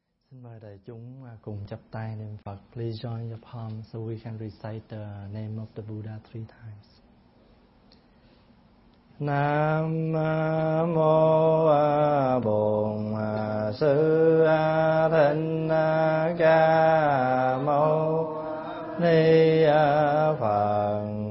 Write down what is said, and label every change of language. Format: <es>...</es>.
<vi>Mời đại chúng cùng chắp tay niệm Phật.</vi> <en>Please join your palms so we can recite the name of the Buddha three times.</en> <vi>Nam mô Bổn Sư Thích Ca Mâu Ni Phật.</vi>